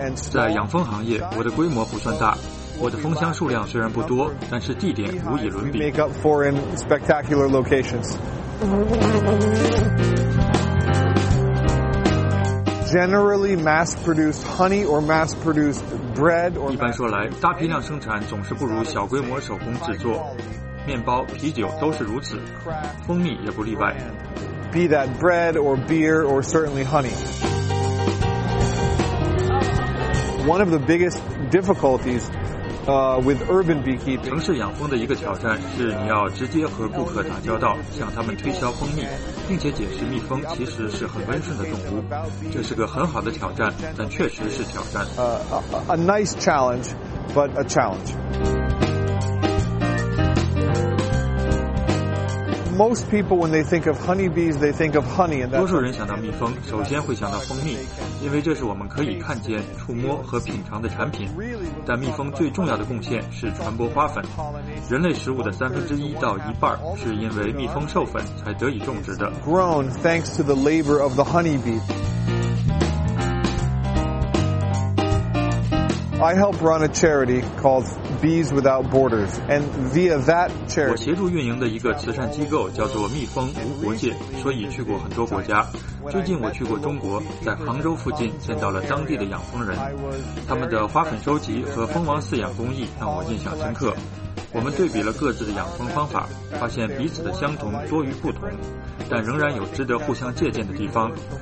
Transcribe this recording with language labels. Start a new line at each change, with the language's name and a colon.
Chinese: 在养蜂行业，我的规模不算大。我的蜂箱数量虽然不多，但是地点无以伦比。
English: Make up for in spectacular locations. Generally, mass-produced honey or mass-produced bread.
Chinese: 一般说来，大批量生产总是不如小规模手工制作。面包、啤酒都是如此，蜂蜜也不例外。
English: Be that bread or beer or certainly honey. One of the biggest difficulties with urban beekeeping.
Chinese: 城市养蜂的一个挑战是你要直接和顾客打交道，向他们推销蜂蜜，并且解释蜜蜂其实是很温顺的动物。这是个很好的挑战，但确实是挑战。
English: A nice challenge, but a challenge. Most people when they think of honeybees, they think of honey.
Chinese: 多数人想到蜜蜂，首先会想到蜂蜜。因为这是我们可以看见、触摸和品尝的产品，但蜜蜂最重要的贡献是传播花粉。人类食物的1/3到1/2是因为蜜蜂授粉才得以种植的。
English: Grown thanks to the labor of the honeybee. I help run a charity called Bees Without Borders, and via that charity,
Chinese: 我协助运营的一个慈善机构叫做蜜蜂无国界，所以去过很多国家。最近我去过中国，在杭州附近见到了当地的养蜂人，他们的花粉收集和蜂王饲养工艺让我印象深刻。我们对比了各自的养蜂方法，发现彼此的相同多于不同，但仍然有值得互相借鉴的地方。